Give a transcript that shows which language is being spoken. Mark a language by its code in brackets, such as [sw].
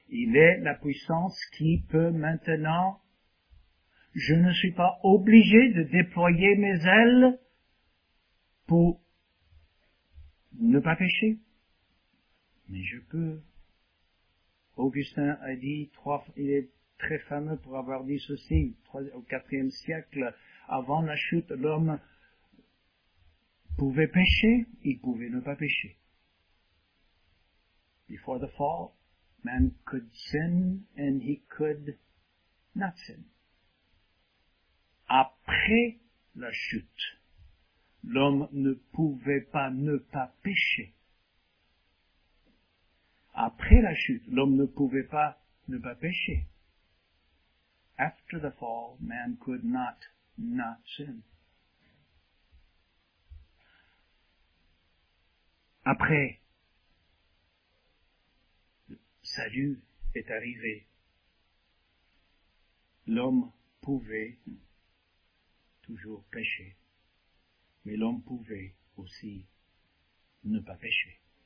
[fr] Il est la puissance qui peut maintenant. Je ne suis pas obligé de déployer mes ailes pour ne pas pécher. Mais je peux. Augustin a dit il est très fameux pour avoir dit ceci, au 4e siècle, avant la chute, l'homme pouvait pécher, il pouvait ne pas pécher. [en] Before the fall, man could sin and he could not sin. [fr] Après la chute, l'homme ne pouvait pas ne pas pécher. Après la chute, l'homme ne pouvait pas ne pas pécher. [en] After the fall, man could not sin. [fr] Après, le salut est arrivé. L'homme pouvait toujours pécher, mais l'homme pouvait aussi ne pas pécher.